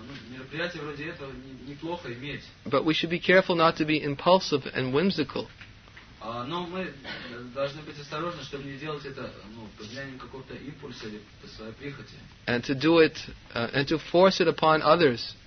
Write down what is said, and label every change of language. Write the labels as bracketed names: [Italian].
[Russian] Мероприятия вроде этого неплохо иметь. [English] But we should be careful not to be impulsive and whimsical. [Russian] Но мы должны быть осторожны, чтобы не делать это, ну, под влиянием какого-то импульса или по своей прихоти. [English] And to do it, and to force it upon others.